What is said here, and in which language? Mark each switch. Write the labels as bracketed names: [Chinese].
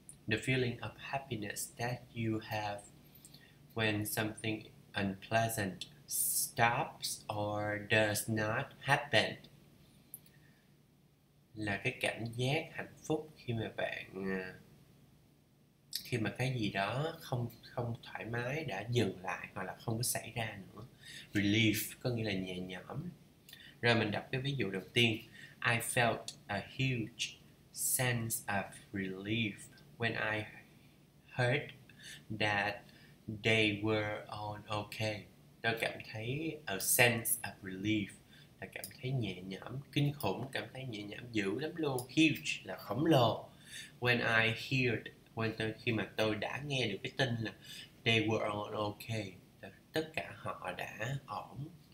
[English] The feeling of happiness that you have when something unpleasant stops or does not happen [Vietnamese] là cái cảm giác hạnh phúc khi mà bạn, khi mà cái gì đó không thoải mái đã dừng lại hoặc là không có xảy ra nữa. Relief có nghĩa là nhẹ nhõm. Rồi mình đọc cái ví dụ đầu tiên. [English] I felt a huge sense of relief when I heard that they were all okay. [Vietnamese] Tôi cảm thấy [English] a sense of relief [Vietnamese] là cảm thấy nhẹ nhõm, kinh khủng, cảm thấy nhẹ nhõm dữ lắm luôn. Huge là khổng lồ. [English] When I heard, [Vietnamese] khi mà tôi đã nghe được cái tin là [English] they were all okay, [Vietnamese] tất cả họ đã ổn.